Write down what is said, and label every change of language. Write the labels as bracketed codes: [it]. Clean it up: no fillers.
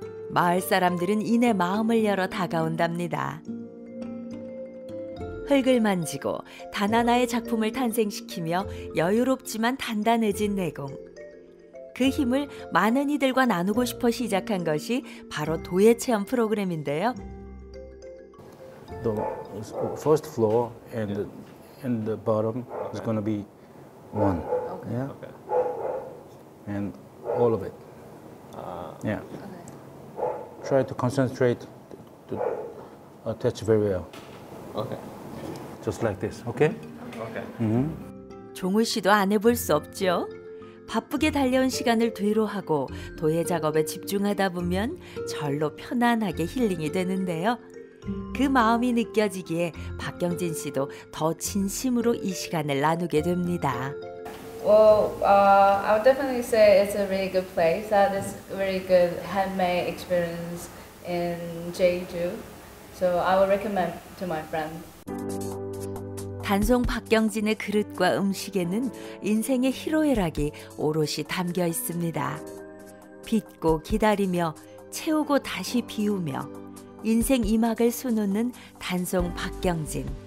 [ko] 마을 사람들은 이내 마음을 열어 다가온답니다. 흙을 만지고 단 하나의 작품을 탄생시키며 여유롭지만 단단해진 내공. 그 힘을 많은 이들과 나누고 싶어 시작한 것이 바로 도예 체험 프로그램인데요. [en] The first floor and the bottom is going to be one. Okay. Yeah. Okay. And all of it. Yeah. Okay. Try to concentrate to attach very well. Okay. Just like this. Okay? Okay. [ko] 종우 씨도 안 해볼 수 없죠. 바쁘게 달려온 시간을 뒤로하고 도예 작업에 집중하다 보면 절로 편안하게 힐링이 되는데요. 그 마음이 느껴지기에 박경진 씨도 더 진심으로 이 시간을 나누게 됩니다. [en] Well, I would definitely say it's a really good place. That is really good handmade experience in Jeju. So I would recommend to my friend. [ko] 단송 박경진의 그릇과 음식에는 인생의 희로애락이 오롯이 담겨 있습니다. 빚고 기다리며 채우고 다시 비우며 인생 이막을 수놓는 단송 박경진.